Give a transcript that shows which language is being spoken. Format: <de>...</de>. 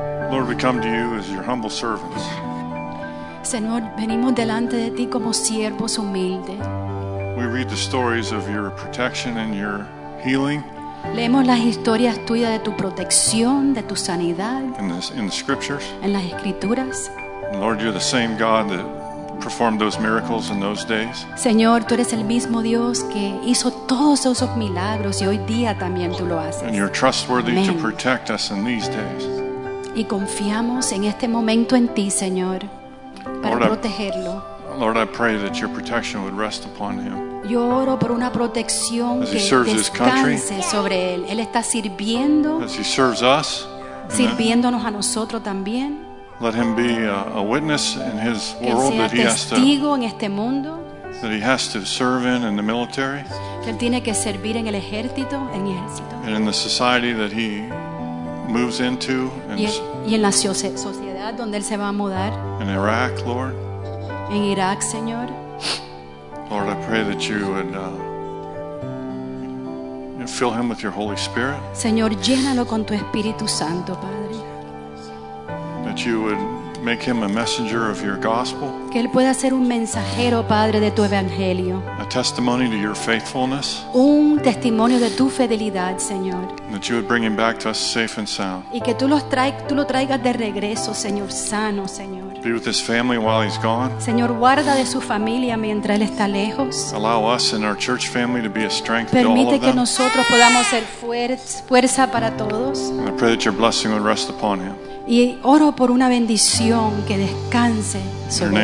<en>Lord, we come to you as your humble servants.</en> <es>Señor, venimos delante de ti como siervos humildes.</es> <en>We read the stories of your protection and your healing.</en> <es>Leemos las historias tuyas de tu protección, de tu sanidad.</es> <en>In the scriptures.</en> <es>En las escrituras.</es> <en>Lord, you're the same God that performed those miracles in those days.</en> <es>Señor, tú eres el mismo Dios que hizo todos esos milagros y hoy día también tú lo haces.</es> <en>And you're trustworthy Amen. To protect us in these days.</en> <es>Y confiamos en este momento en ti, Señor. Para protegerlo.</es> <en>Lord, I pray that your protection would rest upon him.</en> <es>Yo oro por una protección que descanse sobre él. Él está sirviendo.</es> <en>As he serves us.</en> <es>Sirviéndonos a nosotros también.</es> <en>Let him be a witness in his world that he has to.</en> <es>Que sea testigo en este mundo.</es> <en>That he has to serve in the military.</en> <es>Que él tiene que servir en el ejército, en el ejército.</es> <en>And in the society that he moves into.</en> <es>Y en la sociedad. Donde él se va a mudar.</es> <en>In Iraq, Lord.</en> <es>En Irak, Señor.</es> <en>Lord, I pray that you would fill him with your Holy Spirit.</en> <es>Señor, llénalo con tu Espíritu Santo, Padre.</es> <en>That you would make him a messenger of your gospel.</en> <es>Que él pueda ser un mensajero, Padre, de tu evangelio.</es> <en>A testimony to your faithfulness.</en> <es>Un testimonio de tu fidelidad, Señor.</es> <en>And that you would bring him back to us safe and sound.</en> <es>Y que tú lo traigas de regreso, Señor, sano, Señor.</es> <en>Be with his family while he's gone.</en> <es>Señor, guarda de su familia mientras él está lejos.</es> <en>Allow us and our church family to be a strength</en> <es>Permite</es> <en>to all of them.</en> <es>Permite que nosotros podamos ser fuerza para todos.</es> <en>And I pray that your blessing would rest upon him.</en> <es>Y oro por una bendición que descanse sobre</es>